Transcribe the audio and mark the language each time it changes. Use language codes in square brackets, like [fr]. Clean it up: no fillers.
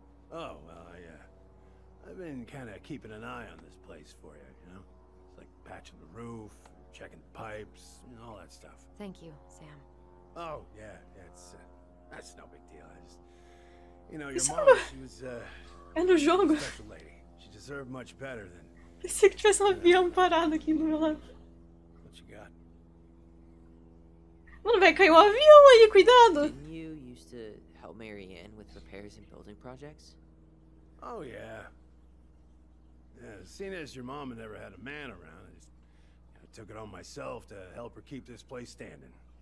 [en] Oh, well, I've been kind of keeping an eye on this place for you, you know? It's like patching the roof, checking the pipes, and all that stuff. Thank you, Sam. Oh, yeah, that's no big deal. I just, you know, your mom, she was a special lady. She deserved much better than... [pt] Pensei que tivesse um avião parado aqui no meu lado. [en] What you got? [pt] Mano, velho, caiu um avião aí, cuidado! [en] Didn't you used to help Marianne with repairs and building projects? Oh, yeah. Yeah, seeing as your mom never had a man around, I just, you know, took it on myself to help her keep this place standing.